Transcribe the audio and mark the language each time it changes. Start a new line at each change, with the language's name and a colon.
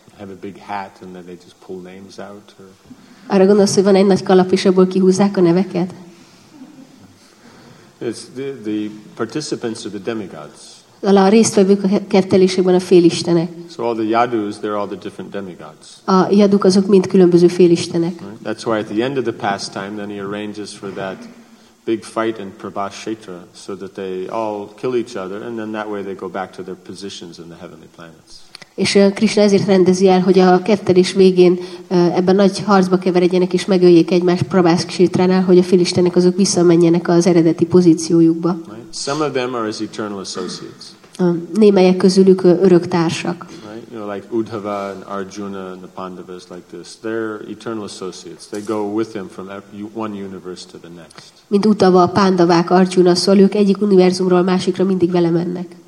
English: Have a big hat and then they just pull names out? Or...
Hungarian: Arra gondolsz, hogy van egy nagy kalap, és abból kihúzzák a neveket?
English: It's the participants are the demigods.
Hungarian: A résztvevők a kertelésében a félistenek.
English: So all the yadus, they're all the different demigods.
Hungarian: A yaduk azok mind különböző félistenek.
English: Right? That's why at the end of the pastime, then he arranges for that big fight in Prabhashetra, so that they all kill each other, and then that way they go back to their positions in the heavenly planets.
Hungarian: És Krishna ezért rendezi el, hogy a kettelés végén ebben nagy harcba keveredjenek és megöljék egymást Prabhashetránál, hogy a félistenek azok visszamenjenek az eredeti pozíciójukba.
English: Right? Some of them are his eternal associates.
Hungarian: Némelyek közülük örök társak.
English: Right? You know, like Uddhava and Arjuna and the Pandavas, like this. They're eternal associates. They go with him from one universe to the next.
Hungarian: Mint Uddhava, Pandavák, Arjuna, szóval ők egyik univerzumról másikra mindig vele mennek.